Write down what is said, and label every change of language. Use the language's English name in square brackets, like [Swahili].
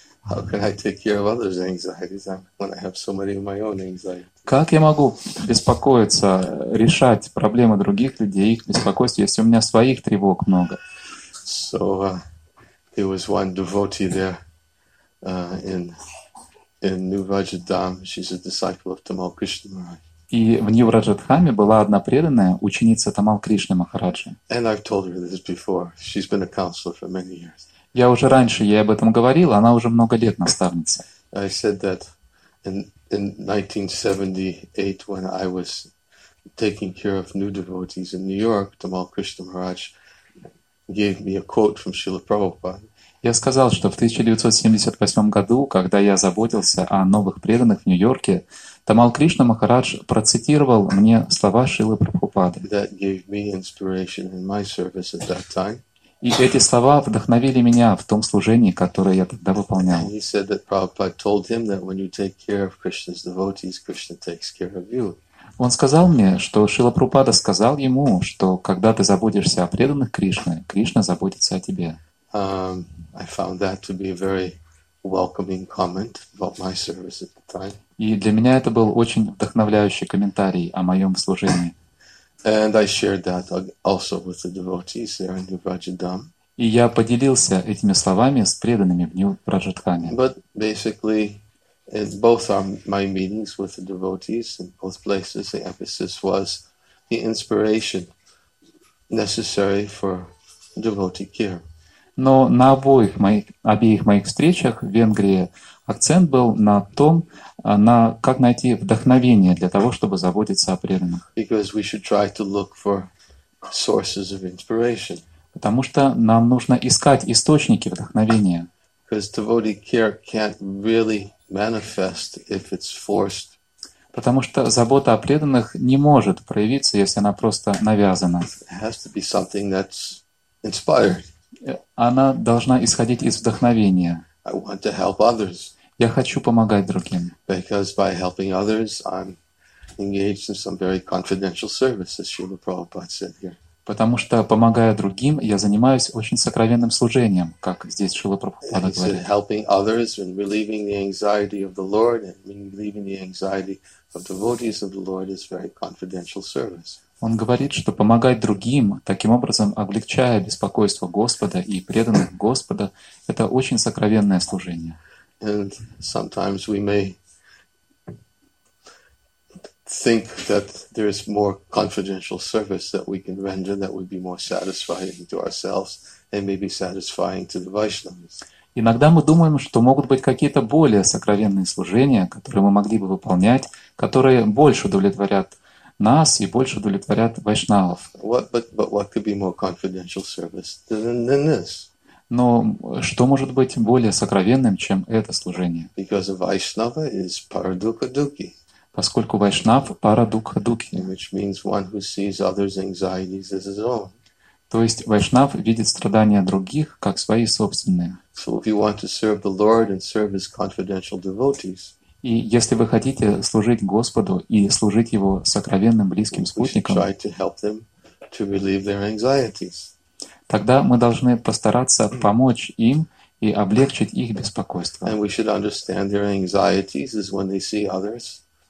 [English] How can I take care of others' anxieties when I have so many of my own anxieties? [Russian] Как я могу беспокоиться, решать проблемы других людей, их беспокойств, если у меня своих тревог много? [English] So there was one devotee there in New Rajadham. She's a disciple of Tamal Krishna Maharaj. [Russian] И в Нью-Раджатхаме была одна преданная ученица Тамал Кришны Махараджи. [English] And I've told her this before. She's been a counselor for many years. [Russian] Я уже раньше ей об этом говорил, она уже много лет наставница. [English] I said that in 1978, when I was taking care of new devotees in New York, Tamal Krishna Maharaj gave me a quote from Srila Prabhupada. [Russian] Я сказал, что в 1978 году, когда я заботился о новых преданных в Нью-Йорке, Тамал Кришна Махарадж процитировал мне слова Шрилы Прабхупады. [English] That gave me inspiration in my service at that time. [Russian] И эти слова вдохновили меня в том служении, которое я тогда выполнял. [English] He said that Prabhupada told him that when you take care of Krishna's devotees, Krishna takes care of you. [Russian] Он сказал мне, что Шрила Прабхупада сказал ему, что когда ты заботишься о преданных Кришны, Кришна заботится о тебе. [English] I found that to be a very welcoming comment about my service at the time. [Russian] И для меня это был очень вдохновляющий комментарий о моем служении. [English] And I shared that also with the devotees there in New Rajadham. [Russian] И я поделился этими словами с преданными в New Rajadhame. [English] But basically, in both my meetings with the devotees in both places, the emphasis was the inspiration necessary for devotee care. [Russian] Но на обеих моих встречах в Венгрии акцент был на том, на как найти вдохновение для того, чтобы заботиться о преданных. [English] Because we should try to look for sources of inspiration. [Russian] Потому что нам нужно искать источники вдохновения. [English] Because devotee care can't really manifest if it's forced. [Russian] Потому что забота о преданных не может проявиться, если она просто навязана. [English] It has to be something that's inspired. [Russian] Она должна исходить из вдохновения. [English] I want to help others. [Russian] Я хочу помогать другим. [English] Because by helping others, I'm engaged in some very confidential service, as Srila Prabhupada said here. [Russian] Потому что, помогая другим, я занимаюсь очень сокровенным служением, как здесь Шрила Прабхупада говорит. [English] Helping others and relieving the anxiety of the Lord and relieving the anxiety of devotees of the Lord is very confidential service. [Russian] Он говорит, что помогать другим, таким образом облегчая беспокойство Господа и преданных Господа, это очень сокровенное служение. [English] And sometimes we may think that there is more confidential service that we can render that would be more satisfying to ourselves and maybe satisfying to the Vaishnavas. [Russian] Иногда мы думаем, что могут быть какие-то более сокровенные служения, которые мы могли бы выполнять, которые больше удовлетворят нас и больше удовлетворят вайшнавов. [English] But what could be more confidential service than this? [Russian] Но что может быть более сокровенным, чем это служение? [English] Because Vaishnava is paradukaduki. [Russian] Поскольку вайшнав парадукхадуки, [English] which means one who sees others' anxieties as his own. [Russian] То есть вайшнав видит страдания других как свои собственные. [English] So if you want to serve the Lord and serve his confidential devotees, [Russian] и если вы хотите служить Господу и служить Его сокровенным близким спутникам, [English] we should try to help them to relieve their anxieties. [Russian] Тогда мы должны постараться помочь им и облегчить их беспокойство. [English] And we should understand their anxieties is when they see others.